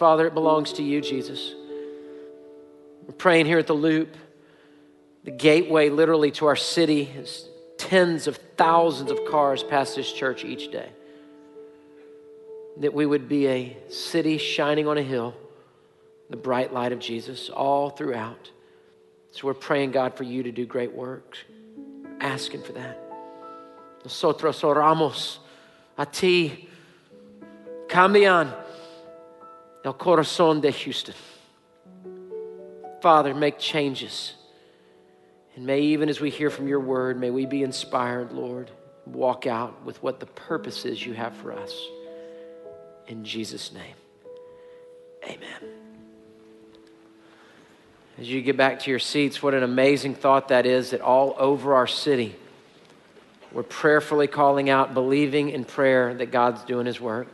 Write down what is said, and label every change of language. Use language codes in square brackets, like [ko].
[en] Father, it belongs to you, Jesus. We're praying here at the Loop, the gateway literally to our city, as tens of thousands of cars pass this church each day, that we would be a city shining on a hill, the bright light of Jesus all throughout. So we're praying, God, for you to do great works, asking for that. [es] Nosotros oramos a ti, cambian el corazón de Houston. [en] Father, make changes. And may even as we hear from your word, may we be inspired, Lord, walk out with what the purpose is you have for us. In Jesus' name, amen. As you get back to your seats, what an amazing thought that is, that all over our city, we're prayerfully calling out, believing in prayer that God's doing his work.